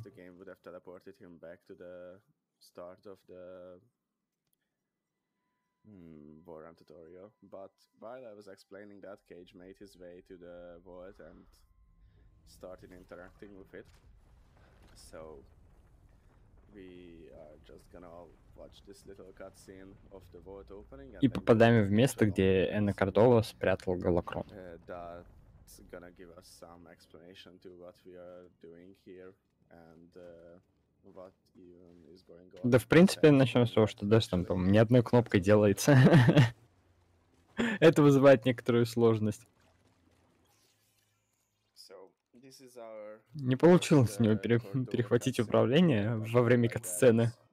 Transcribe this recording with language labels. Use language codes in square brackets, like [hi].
[en] The game would have teleported him back to the start of the Valorant tutorial. But while I was explaining that, Cage made his way to the vault and started interacting with it. So we are just gonna watch this little cutscene of the vault opening. [ru] И попадаем в место, где Энна Кордова спрятал Голокрон. [en] That's gonna give us some explanation to what we are doing here and what even is going on. [ru] Да, в принципе, начнем с того, что Dash там, по-моему, ни одной кнопкой делается. Это вызывает некоторую сложность. [en] So, this is our... [ru] Не получилось у него перехватить управление во время катсцены.